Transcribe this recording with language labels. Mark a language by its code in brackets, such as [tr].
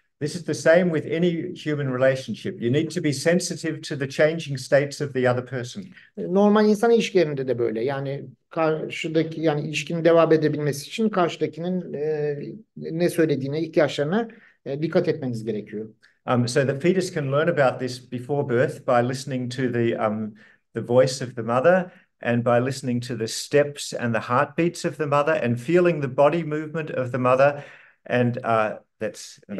[en] This is the same with any human relationship. You need to be sensitive to the changing states of the other person. [tr] Normal insan ilişkilerinde de böyle. Yani karşıdaki yani ilişkinin devam edebilmesi için karşıdakinin ne söylediğine, ihtiyaçlarına dikkat etmeniz gerekiyor. [en] So the fetus can learn about this before birth by listening to the voice of the mother and by listening to the steps and the heartbeats of the mother and feeling the body movement of the mother and that's enough.